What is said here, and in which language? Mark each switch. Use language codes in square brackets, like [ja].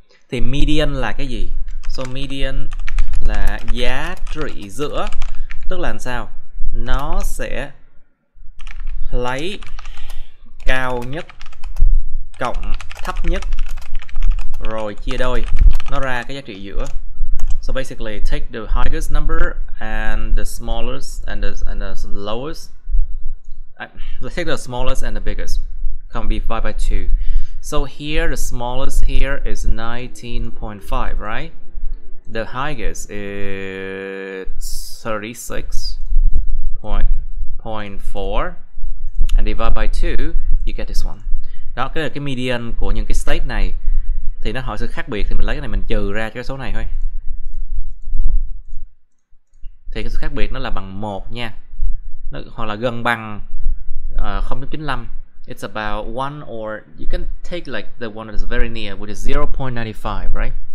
[vi] Thì median là cái gì? [en] So [vi] median là giá trị giữa, tức là làm sao? Nó sẽ lấy cao nhất cộng thấp nhất rồi chia đôi, nó ra cái giá trị giữa. [en] So basically take the highest number and the smallest and the lowest. Let's take the smallest and the biggest. Can be 5 by 2. So here the smallest here is 19.5, right? The highest is 36.4, and divide by 2, you get this one. [vi] Đó, cái là cái median của những cái state này. Thì nó hỏi sự khác biệt thì mình lấy cái này mình trừ ra cái số này thôi. Thì cái sự khác biệt nó là bằng 1 nha. Nó hoặc là gần bằng 0.95. [en] It's about 1, or you can take like the one that is very near, which is 0.95, right?